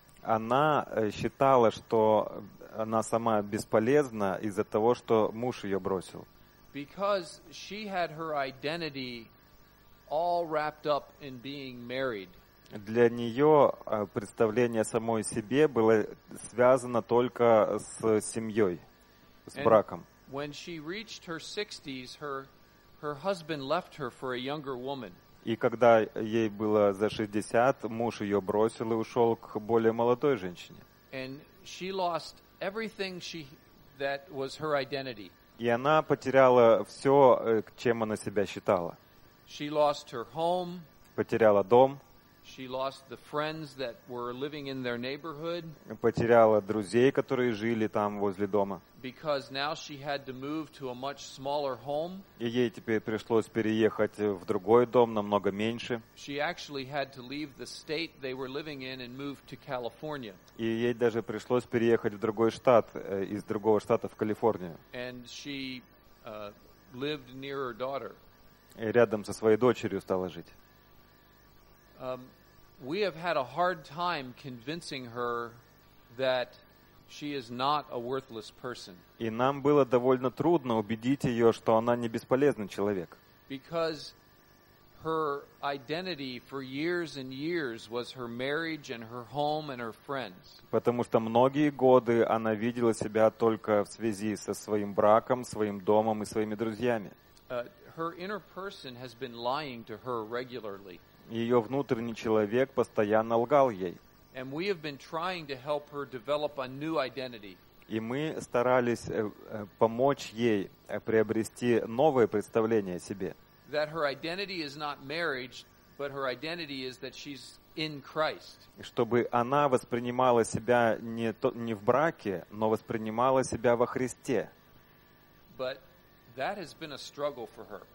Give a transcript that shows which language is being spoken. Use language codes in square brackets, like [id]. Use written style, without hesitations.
[ru] Она считала, что она сама бесполезна из-за того, что муж ее бросил. [en] Because she had her identity all wrapped up in being married. [ru] Для нее представление о самой себе было связано только с семьей, с браком. [en] And when she reached her 60s, her husband left her for a younger woman. [ru] И когда ей было за 60, муж ее бросил и ушел к более молодой женщине. [en] And she lost everything she that was her identity. [ru] И она потеряла все, чем она себя считала. [en] She lost her home. [ru] Потеряла дом. [en] She lost the friends that were living in their neighborhood. [ru] Потеряла друзей, которые жили там возле дома. [en] Because now she had to move to a much smaller home. [ru] И ей теперь пришлось переехать в другой дом, намного меньше. [en] She actually had to leave the state they were living in and move to California. [ru] И ей даже пришлось переехать в другой штат, из другого штата в Калифорнию. [en] And she lived near her daughter. [ru] И рядом со своей дочерью стала жить. [en] We have had a hard time convincing her that she is not a worthless person. [ru] И нам было довольно трудно убедить ее, что она не бесполезный человек. [en] Because her identity for years and years was her marriage and her home and her friends. [ru] Потому что многие годы она видела себя только в связи со своим браком, своим домом и своими друзьями. [en] Her inner person has been lying to her regularly. [ru] Ее внутренний человек постоянно лгал ей. [en] And we have been trying to help her develop a new identity. [ru] И мы старались помочь ей приобрести новое представление о себе. [en] That her identity is not marriage, but her identity is that she's in Christ. [ru] Чтобы она воспринимала себя не в браке, но воспринимала себя во Христе. [en] But that has been a struggle for her.